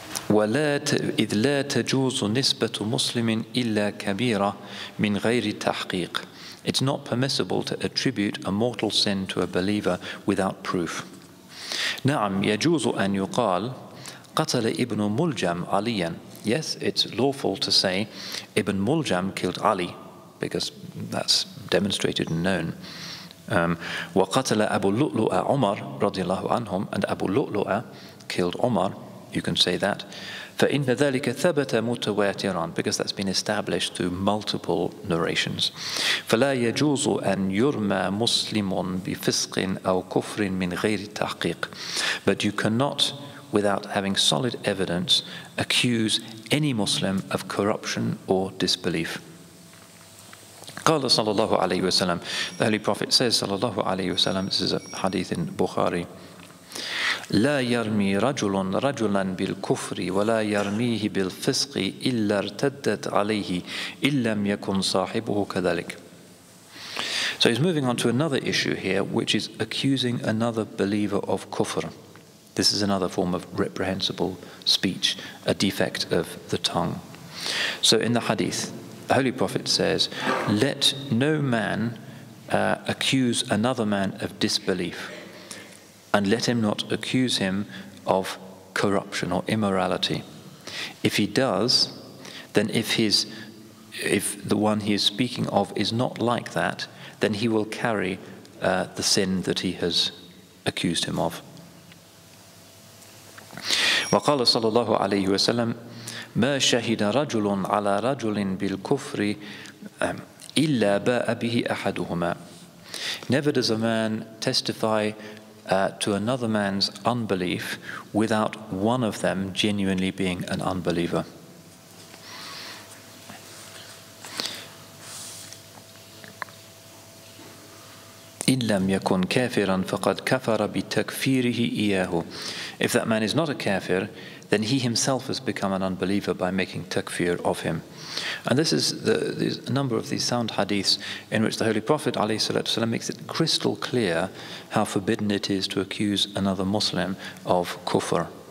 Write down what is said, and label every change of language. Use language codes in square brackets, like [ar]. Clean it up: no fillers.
[ar] ولا إذ لا تجوز نسبة مسلم إلا كبيرة من غير تحقيق. [en] It's not permissible to attribute a mortal sin to a believer without proof. [ar] نعم يجوز أن يقال قتل ابن ملجم عليا. [en] Yes, it's lawful to say Ibn Muljam killed Ali, because that's demonstrated and known. [ar] وقتل أبو لؤلؤة عمر رضي الله عنهم, [en] and Abu Lu'lu'a killed Umar. You can say that. [ar] فإن ذلك ثبت متواترا, [en] because that's been established through multiple narrations. [ar] فلا يجوز أن يرمى مسلم بفسق أو كفر من غير تحقيق. [en] But you cannot, without having solid evidence, accuse any Muslim of corruption or disbelief. [ar] قال صلى الله عليه وسلم, [en] the Holy Prophet says, [ar] صلى الله عليه وسلم, [en] this is a hadith in Bukhari, [ar] لا يرمي رجل رجلا بالكفر ولا يرميه بالفسق إلا ارتدت عليه إن لم يكن صاحبه كذلك. [en] So he's moving on to another issue here, which is accusing another believer of kufr. This is another form of reprehensible speech, a defect of the tongue. So in the hadith, the Holy Prophet says, let no man accuse another man of disbelief, and let him not accuse him of corruption or immorality. If he does, then if the one he is speaking of is not like that, then he will carry the sin that he has accused him of. [ar] وقال صلى الله عليه وسلم ما شهد رجل على رجل بالكفر إلا باء به أحدهما. [en] Never does a man testify to another man's unbelief without one of them genuinely being an unbeliever. [ar] إن لم يكن كافرا فقد كفر بتكفيره إياه. [en] If that man is not a kafir, then he himself has become an unbeliever by making takfir of him. And this is a number of these sound hadiths in which the Holy Prophet ﷺ makes it crystal clear how forbidden it is to accuse another Muslim of kufr.